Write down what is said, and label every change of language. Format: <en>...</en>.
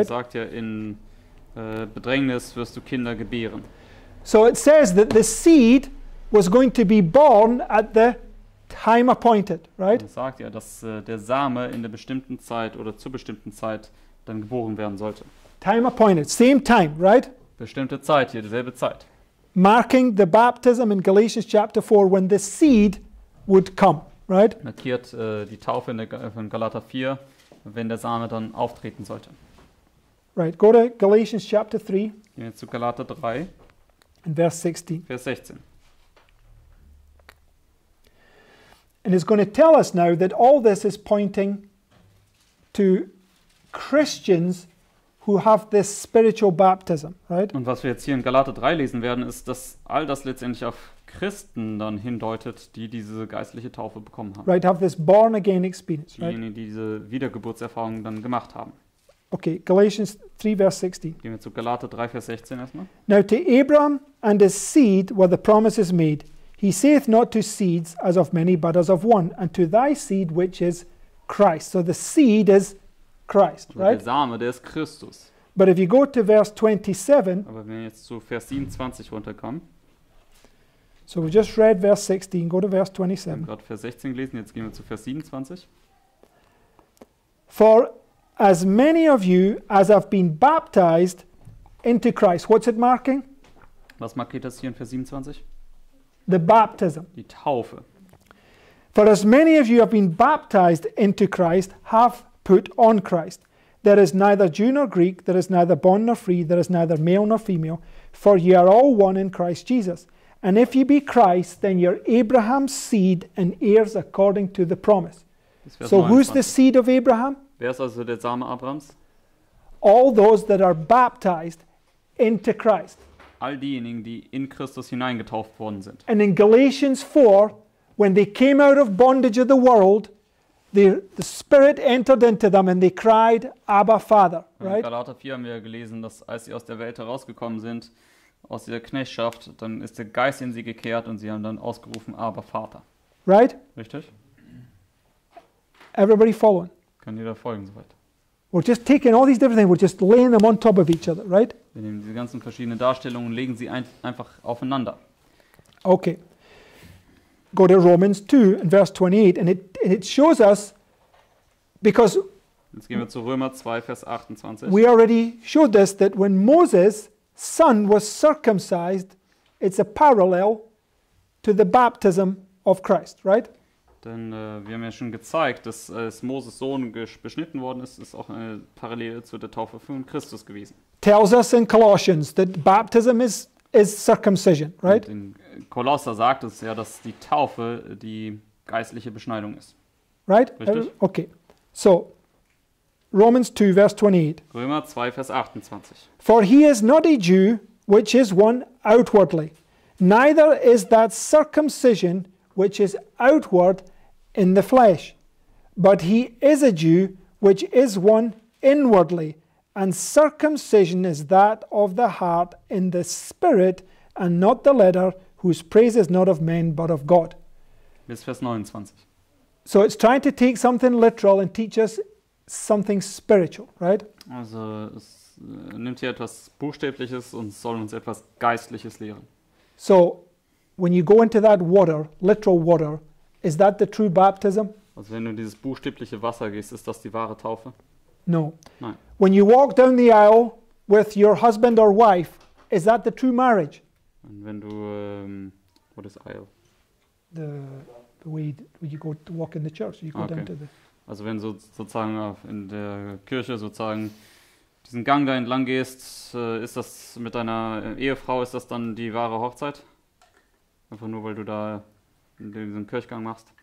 <de>Und sagt ja, in Bedrängnis wirst du Kinder gebären.</de> <en>So it says that the seed was going to be born at the time appointed, right?</en> <de>Er sagt ja, dass der Same in der bestimmten Zeit oder zur bestimmten Zeit dann geboren werden sollte.</de> <en>Time appointed, same time, right?</en> <de>Bestimmte Zeit hier, dieselbe Zeit.</de> <en>Marking the baptism in Galatians chapter 4 when the seed would come, right?</en> <de>Markiert die Taufe in Galater 4, wenn der Same dann auftreten sollte.</de> <en>Right, go to Galatians chapter 3.</en> <de>Gehen wir zu Galater 3.</de> <en>In verse 16.</en> <de>Vers 16.</de> <en>And it's going to tell us now that all this is pointing to Christians who have this spiritual baptism, right?</en> <de>Und was wir jetzt hier in Galater 3 lesen werden, ist, dass all das letztendlich auf Christen dann hindeutet, die diese geistliche Taufe bekommen haben.</de> <en>Right, have this born again experience, right?</en> <de>Diejenigen, die diese Wiedergeburtserfahrung dann gemacht haben.</de> <en>Okay, Galatians 3, verse 16.</en> <de>Gehen wir zu Galater 3, Vers 16 erstmal.</de> <en>Now to Abraham and his seed were the promises made. He saith not to seeds as of many, but as of one, and to thy seed, which is Christ. So the seed is Christ, right?</en> <de>Der Same, der ist Christus.</de> <en>But if you go to verse 27,</en> <de>aber wenn wir jetzt zu Vers 27 runterkommen,</de> <en>so we just read verse 16, go to verse 27.</en> <de>Wir haben gerade Vers 16 gelesen, jetzt gehen wir zu Vers 27.</de> <en>For as many of you as have been baptized into Christ. What's it marking?</en> <de>Was markiert das hier in Vers 27?</de> <en>The baptism.</en> <de>Die Taufe.</de> <en>For as many of you have been baptized into Christ, have put on Christ. There is neither Jew nor Greek, there is neither bond nor free, there is neither male nor female, for ye are all one in Christ Jesus. And if ye be Christ, then ye are Abraham's seed and heirs according to the promise. So who's the seed of Abraham?</en> <de>Wer ist also der Same Abrahams?</de> <en>All those that are baptized into Christ.</en> <de>All diejenigen, die in Christus hineingetauft worden sind.</de> <en>And in Galatians 4, when they came out of bondage of the world, the Spirit entered into them and they cried, Abba, Father. Right?</en> <de>In Galater 4 haben wir gelesen, dass als sie aus der Welt herausgekommen sind, aus dieser Knechtschaft, dann ist der Geist in sie gekehrt und sie haben dann ausgerufen, Abba, Vater.</de> <en>Right?</en> <de>Richtig?</de> <en>Everybody following?</en> <de>Können jeder folgen soweit?</de> <en>We're just taking all these different things, we're just laying them on top of each other, right?</en> <de>Wir nehmen diese ganzen verschiedenen Darstellungen und legen sie einfach aufeinander.</de> <en>Okay. Go to Romans 2 and verse 28 and it shows us because</en> <de>jetzt gehen wir zu Römer 2 Vers 28.</de> <en>We already showed this that when Moses' son was circumcised, it's a parallel to the baptism of Christ, right?</en> <de>Denn wir haben ja schon gezeigt, dass als Moses Sohn beschnitten worden ist, ist auch eine Parallele zu der Taufe von Christus gewesen.</de> <en>Tells us in Colossians that baptism is circumcision, right?</en> <de>In Kolosser sagt es ja, dass die Taufe die geistliche Beschneidung ist.</de> <en>Right?</en> <de>Richtig?</de> <en>Okay. So, Romans 2, verse 28.</en> <de>Römer 2, Vers 28.</de> <en>For he is not a Jew, which is one outwardly. Neither is that circumcision, which is outward in the flesh. But he is a Jew, which is one inwardly. And circumcision is that of the heart in the spirit, and not the letter, whose praise is not of men, but of God.</en> <de>Bis Vers 29.</de> <en>So it's trying to take something literal and teach us something spiritual, right?</en> <de>Also es nimmt hier etwas Buchstäbliches und soll uns etwas Geistliches lehren.</de> <en>So, when you go into that water, literal water, is that the true baptism?</en> <de>Also wenn du in dieses buchstäbliche Wasser gehst, ist das die wahre Taufe?</de> <en>No.</en> <de>Nein.</de> <en>When you walk down the aisle with your husband or wife, is that the true marriage?</en> <de>Und wenn du</de> <en>what is aisle? The way you go to walk in the church, you go okay. Down to the.</en> <de>Also wenn du sozusagen in der Kirche sozusagen diesen Gang da entlang gehst, ist das mit deiner Ehefrau, ist das dann die wahre Hochzeit? Einfach nur, weil du da diesen Kirchgang machst.</de>